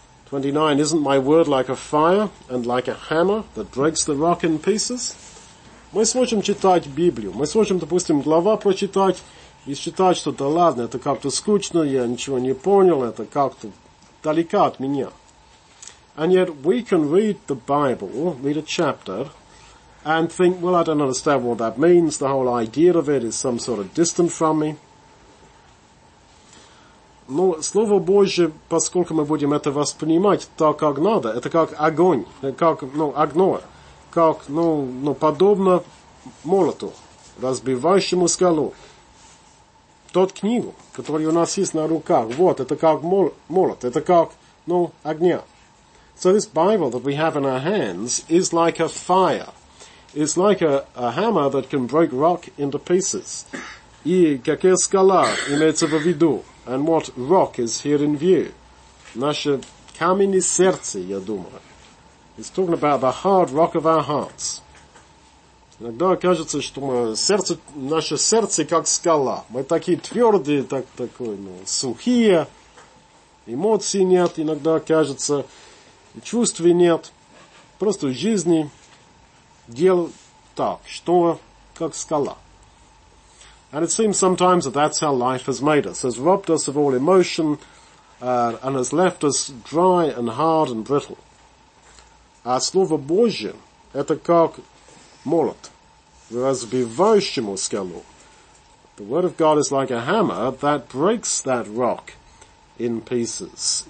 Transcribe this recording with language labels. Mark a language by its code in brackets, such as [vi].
[en] 29. Isn't my word like a fire and like a hammer that breaks the rock in pieces? [ru] Мы сможем читать Библию. Мы сможем, допустим, глава прочитать и считать, что да ладно, это как-то скучно, я ничего не понял, это как-то далеко от меня. [en] And yet we can read the Bible, read a chapter, and think, well, I don't understand what that means. The whole idea of it is some sort of distant from me. [ru] Но Слово Божье, поскольку мы будем это воспринимать так, как надо, это как огонь, как, огня, как, подобно молоту, разбивающему скалу. Тот книгу, который у нас есть на руках, вот, это как молот, это как, огня. [en] So this Bible that we have in our hands is like a fire. It's like a hammer that can break rock into pieces. [ru] И какая скала имеется в виду? [en] And what rock is here in view? [ru] Наше каменное сердце, я думаю. [en] It's talking about the hard rock of our hearts. [ru] Иногда кажется, что наше сердце как скала. Мы такие твердые, сухие. Эмоций нет, иногда кажется. И чувств нет. Просто в жизни дело так, что как скала. [en] And it seems sometimes that that's how life has made us, has robbed us of all emotion, and has left us dry and hard and brittle. [ru] А слово Божье – это как молот, разбивающему скалу. [en] The word of God is like a hammer that breaks that rock in pieces.